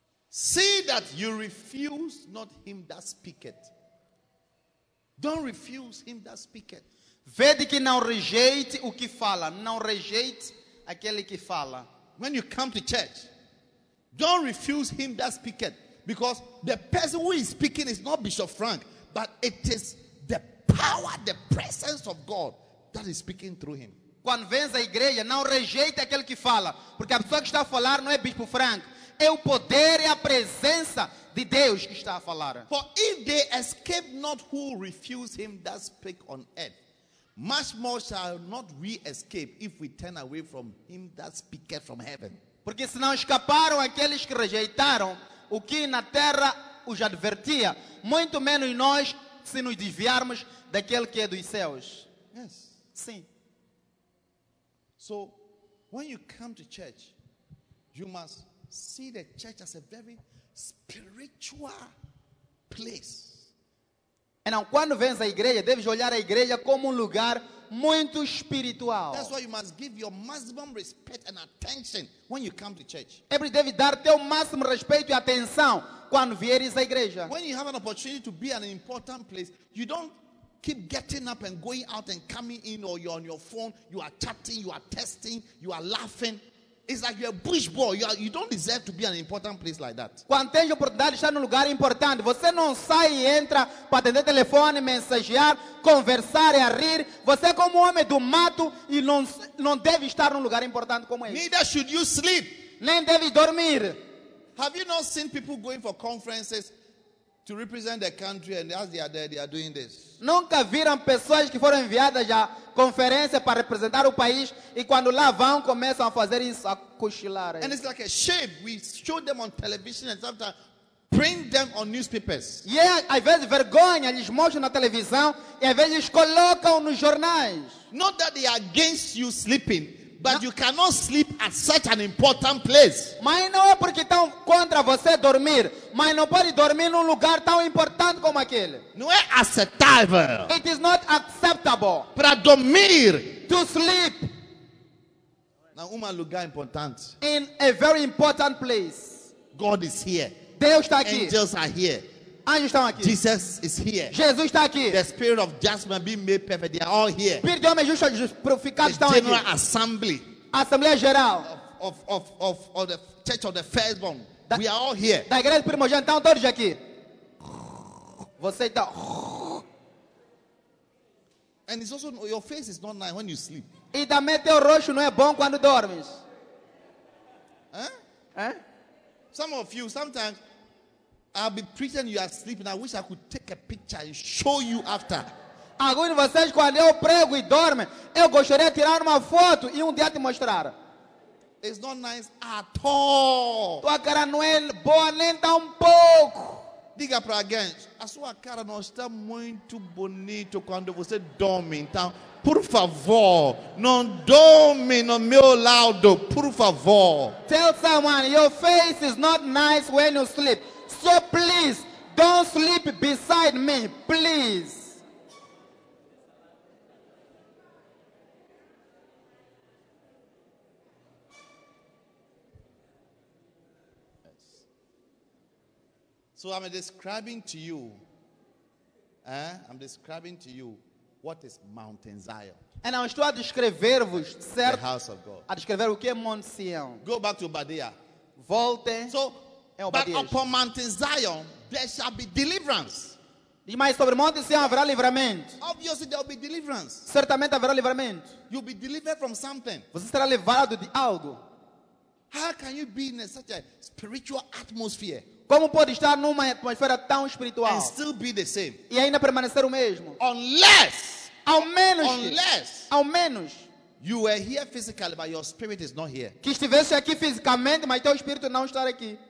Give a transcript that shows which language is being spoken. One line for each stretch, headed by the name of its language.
English: See that you refuse not him that speaketh. Don't refuse him that speaketh.
Portuguese: Vede que não rejeite o que fala. Não rejeite aquele que fala.
English: When you come to church, don't refuse him that speaketh. Because the person who is speaking is not Bishop Frank, but it is the power, the presence of God that is speaking through him.
Portuguese: Quando vens à igreja, não rejeite aquele que fala. Porque a pessoa que está a falar não é Bispo Frank. É o poder e a presença de Deus que está a falar.
English: For if they escape not who refuse him that speak on earth, much more shall not we escape if we turn away from him that speaketh from heaven.
Portuguese: Porque se não escaparam aqueles que rejeitaram o que na terra os advertia, muito menos nós se nos desviarmos daquele que é dos céus.
English: Yes.
Portuguese: Sim.
English: So, when you come to church, you must see the church as a very spiritual place.
Portuguese: Então, quando vens à igreja, deves olhar a igreja como um lugar muito espiritual.
English: That's why you must give your maximum respect and attention when you come to church. Every
Portuguese: deve dar teu máximo respeito e atenção quando vieres à igreja.
English: When you have an opportunity to be at an important place, you don't keep getting up and going out and coming in, or you're on your phone, you are chatting, you are texting, you are laughing. It's like you're a bush boy. You don't deserve to be at an important place like that.
Portuguese: Quando tens a oportunidade de estar num lugar importante, você não sai e entra para atender telefone, mensagear, conversar e a rir. Você é como um homem do mato e não deve estar num lugar importante como esse.
English: Neither should you sleep.
Portuguese: Nem deve dormir.
English: Have you not seen people going for conferences to represent their country and as they are there, they are doing this?
Portuguese: Nunca viram pessoas que foram enviadas já conferência para representar o país e quando lá vão começam a fazer isso, a cochilar.
English: And it's like a shame. We show them on television and sometimes print them on newspapers. Yeah,
Portuguese: às vezes vergonha, eles mostram na televisão e às vezes colocam nos jornais.
English: Not that they are against you sleeping, but you cannot sleep at such an important place.
Portuguese: Mas não é porque estão contra você dormir, mas não pode dormir num lugar tão importante como aquele. Não é aceitável.
English: It is not acceptable.
Portuguese: Para dormir.
English: To sleep.
Portuguese: Num lugar importante.
English: In a very important place. God is here.
Portuguese: Deus está aqui.
English: Angels are here.
Portuguese: Anjos estão aqui.
English: Jesus is here.
Portuguese: Jesus está aqui.
English: The spirit of judgment being made perfect, they are all here.
Portuguese: Espírito de homem justo e justificado estão aqui.
English: The general assembly.
Portuguese: Assembleia geral.
English: Of the church of the firstborn. We are all here.
Portuguese: Da igreja primogênita estão todos aqui. Você está.
English: And it's also your face is not nice when you sleep.
Portuguese: E também teu rosto não é bom quando dormes.
English: Huh? Some of you sometimes. I'll be preaching, you are sleeping. I wish I could take a picture and show you after.
Portuguese: Alguns de vocês, quando eu prego e dorme, eu gostaria de tirar uma foto e um dia te mostrar.
English: It's not nice at all.
Portuguese: Tua cara não é boa nem tão pouco. Diga para alguém, a sua cara não está muito bonito quando você dorme. Então, por favor, não dorme no meu lado, por favor.
English: Tell someone your face is not nice when you sleep. So please, don't sleep beside me, please. So I'm describing to you, I'm describing to you what is Mount Zion. And I'm still describing the house of God.
Portuguese: A descrever o que é Monte Sião.
English: Go back to Obadiah.
Portuguese: Volte.
English: So, but upon Mount Zion, there shall be deliverance.
Portuguese: Mas sobre Monte Sião haverá livramento.
English: Obviously, there will be deliverance.
Portuguese: Certamente haverá livramento.
English: You'll be delivered from something.
Portuguese: Você será livrado de algo.
English: How can you be in such a spiritual atmosphere?
Portuguese: Como pode estar numa atmosfera tão espiritual?
English: And still be the same.
Portuguese: E ainda permanecer o mesmo?
English: Unless,
Portuguese: ao menos,
English: you were here physically, but your spirit is not here.
Portuguese: Que estivesse aqui fisicamente, mas teu espírito não está aqui.